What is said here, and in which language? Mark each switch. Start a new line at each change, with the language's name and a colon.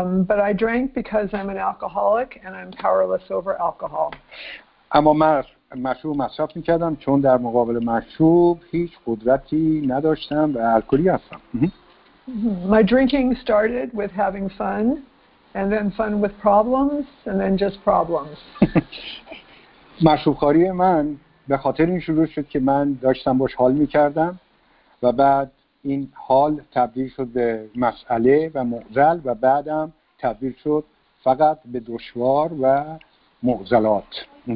English: But I drank because I'm an alcoholic and I'm powerless over alcohol.
Persian: اما من مشروب مصرف می‌کردم چون در مقابل مشروب هیچ قدرتی نداشتم و الکلی هستم.
English: My drinking started with having fun. And then fun with problems, and then just problems.
Persian: مشروب‌خواری من به خاطر این شروع شد که من داشتم باش حال می‌کردم و بعد این حال تبدیل شد به مسئله و معضل و بعدم تبدیل شد فقط به دشوار و معضلات.